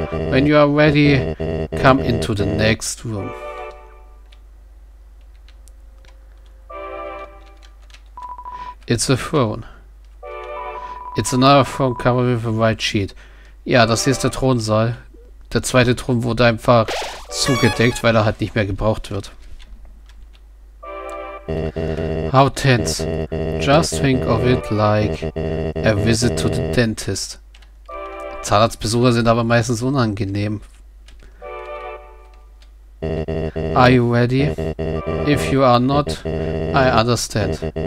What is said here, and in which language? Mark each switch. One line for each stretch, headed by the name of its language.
English: When you are ready, come into the next room. It's a throne. It's another throne covered with a white sheet.
German: Ja, das hier ist der Thronsaal. Der zweite Thron wurde einfach zugedeckt, weil er halt nicht mehr gebraucht wird.
English: How tense. Just think of it like a visit to the dentist.
German: Zahnarztbesucher sind aber meistens unangenehm.
English: Are you ready? If you are not, I understand.